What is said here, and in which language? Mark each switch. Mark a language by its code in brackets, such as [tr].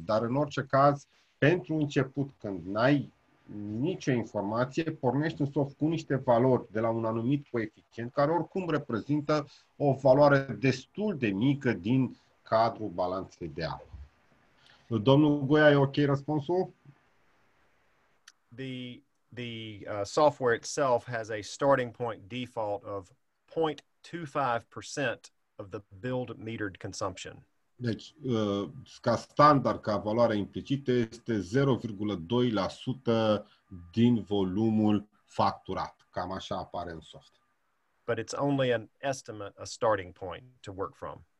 [ro] Dar în orice caz, pentru început, când n-ai nicio informație, pornești în soft cu niște valori de la un anumit coeficient, care oricum reprezintă o valoare destul de mică din cadrul balanței de apă. Domnul Goia, e ok răspunsul? [en] The the software itself has a starting point default of 0.25% of the build metered consumption. [ro] Deci, ca standard, ca valoare implicită, este 0,2% din volumul facturat. Cam așa apare în soft. [en] But it's only an estimate, a starting point to work from.